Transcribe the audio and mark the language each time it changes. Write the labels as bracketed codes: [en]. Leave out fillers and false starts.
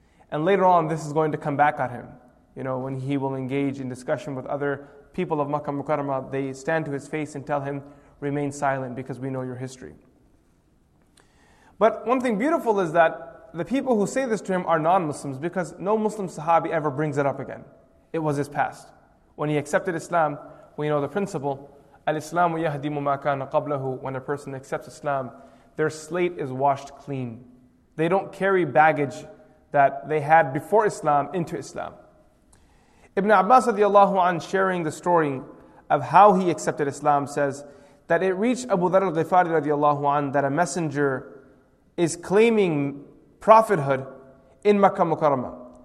[en] And later on, this is going to come back at him. You know, when he will engage in discussion with other people of Makkah Mukarramah, they stand to his face and tell him, remain silent because we know your history. But one thing beautiful is that the people who say this to him are non-Muslims, because no Muslim Sahabi ever brings it up again. It was his past. When he accepted Islam, we know the principle, [ar] الإسلام يهدم ما كان قبله. [en] When a person accepts Islam, their slate is washed clean. They don't carry baggage that they had before Islam into Islam. Ibn Abbas radiallahu an, sharing the story of how he accepted Islam, says that it reached Abu Dharr al-Ghifari radiallahu an that a messenger is claiming prophethood in Makkah Mukarramah.